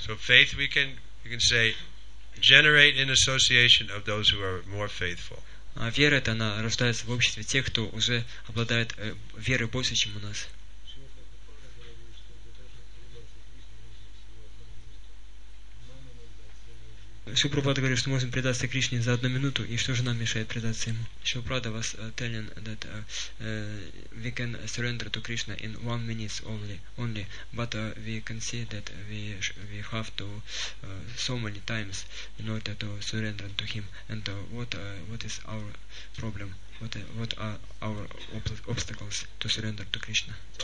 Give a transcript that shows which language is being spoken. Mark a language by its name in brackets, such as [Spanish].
[English] So faith we can say generate in association of those who are more faithful. [Russian] А вера это она рождается в обществе тех, кто уже обладает верой больше, чем у нас. Шрила Прабхупада говорит, что мы можем предаться Кришне за одну минуту, и что же нам мешает предаться Ему? [English] Шрила Прабхупада was telling that we can surrender to Krishna in 1 minute only, but we can see that we have to so many times in order to surrender to Him. And what is our problem? What are our obstacles to surrender to Krishna?